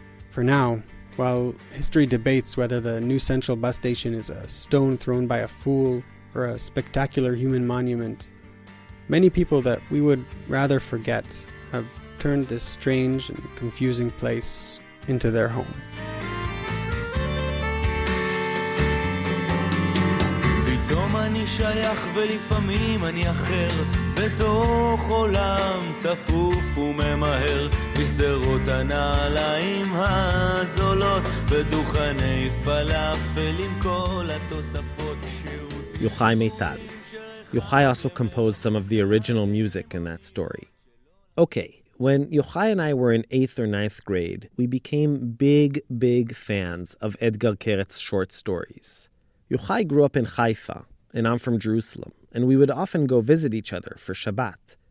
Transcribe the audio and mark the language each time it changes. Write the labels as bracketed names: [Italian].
[English] For now, while history debates whether the new central bus station is a stone thrown by a fool or a spectacular human monument, many people that we would rather forget have turned this strange and confusing place into their home. [Hebrew] פתאום אני שייך ולפעמים אני אחר בתוך עולם צפוף וממהר בסדרות הנעליים הזולות בדוכני פלאפל עם כל התוספות שירותים יוחאי מיטל. [English] Yochai also composed some of the original music in that story. Okay, when Yochai and I were in 8th or 9th grade, we became big, big fans of Etgar Keret's short stories. Yochai grew up in Haifa, and I'm from Jerusalem, and we would often go visit each other for Shabbat.